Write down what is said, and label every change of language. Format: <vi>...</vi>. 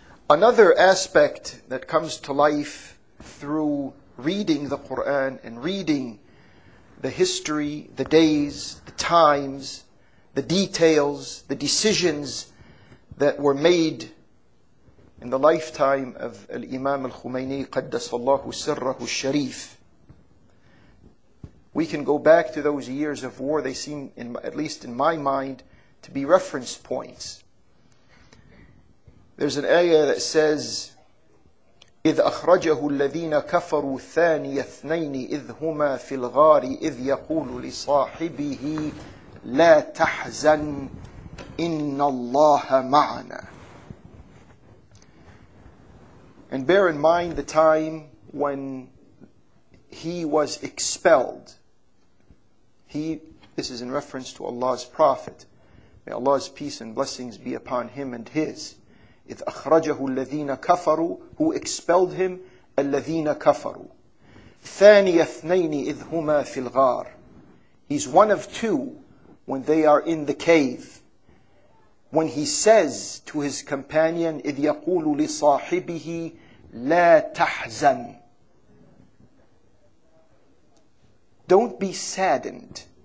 <en>Another aspect that comes to life through reading the Quran and reading the history, the days, the times, the details, the decisions that were made in the lifetime of Al-Imam Al-Khumayni Qaddasallahu Sirrahu Sharif. We can go back to those years of war. They seem, at least in my mind, to be reference points. There's an ayah that says,</en> <ar>إذ أخرجه الذين كفروا ثاني اثنين إذ هما في الغار إذ يقول لصاحبه لا تحزن إن الله معنا.</ar> <en>And bear in mind the time when he was expelled. This is in reference to Allah's Prophet. May Allah's peace and blessings be upon him and his.</en> <ar>إِذْ أَخْرَجَهُ الَّذِينَ كَفَرُوا</ar> <en>Who expelled him?</en> <ar>الَّذِينَ كَفَرُوا ثَانِيَ اثْنَيْنِ إِذْ هُمَا فِي الْغَارِ</ar> <en>He's one of two when they are in the cave. When he says to his companion,</en> <ar>إِذْ يَقُولُ لِصَاحِبِهِ لَا تَحْزَنْ</ar> <en>Don't be saddened.</en>